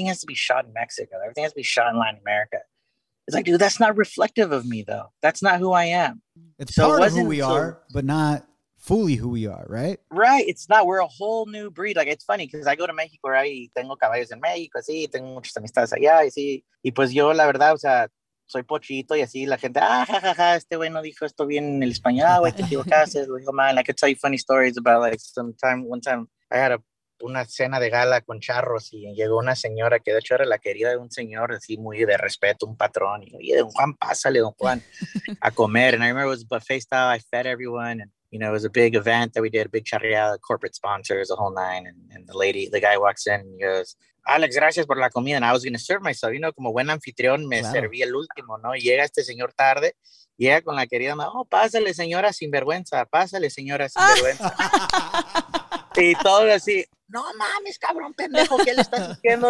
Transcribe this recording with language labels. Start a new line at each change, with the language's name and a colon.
English: Everything has to be shot in Mexico. Everything has to be shot in Latin America. It's like, dude, that's not reflective of me, though. That's not who I am. It's so part of who we are, but not fully who we are, right? Right. It's not. We're a whole new breed. Like, it's funny because I go to Mexico, right?
Spanish: Tengo caballos en Mexico, sí. Tengo muchas amistades allá, sí. Y pues yo, la verdad, o sea, soy pochito y así la gente, este güey no dijo esto bien en el español, güey, te equivocaste, lo dijo mal.
English: I could tell you funny stories about, like, one time I had
Spanish: una cena de gala con charros y llegó una señora que de hecho era la querida de un señor así muy de respeto, un patrón, y oye, don Juan, pásale, don Juan, a comer.
English: And I remember it was buffet style, I fed everyone, and, you know, it was a big event that we did, a big charreada, corporate sponsors, the whole nine, and the guy walks in and he goes, Alex,
Spanish: gracias por la comida.
English: And I was going to serve myself, you know,
Spanish: como buen anfitrión, me serví el último, ¿no? Llega este señor tarde, llega con la querida, oh, pásale, señora sinvergüenza, pásale, señora sinvergüenza. Y todo así, no mames, cabrón, pendejo, ¿qué le estás diciendo?